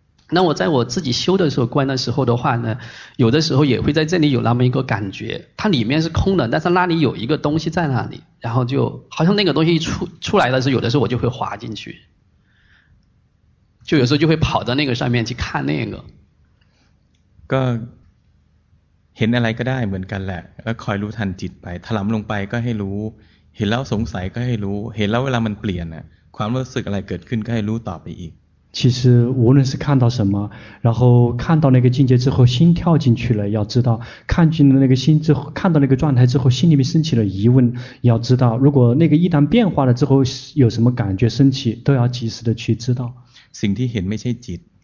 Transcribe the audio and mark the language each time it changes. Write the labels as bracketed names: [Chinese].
[Chinese] 那我在我自己修的时候观的时候的话呢有的时候也会在这里有那么一个感觉它里面是空的但是那里有一个东西在那里然后就好像那个东西出来的时候有的时候我就会滑进去就有时候就会跑到那个上面去看那个 [Thai] เห็นอะไรก็ได้เหมือนกันแหละแล้วคอยรู้ทันจิตไปถลำลงไปก็ให้รู้เห็นแล้วสงสัยก็ให้รู้เห็นแล้วเวลามันเปลี่ยนน่ะความรู้สึกอะไรเกิดขึ้นก็ให้รู้ต่อไปอีก [Chinese] 其实无论是看到什么然后看到那个境界之后心跳进去了要知道看进了那个心之后看到那个状态之后心里面升起了疑问要知道如果那个一旦变化了之后有什么感觉升起都要及时的去知道 [Thai] สิ่งที่เห็นไม่ใช่จิต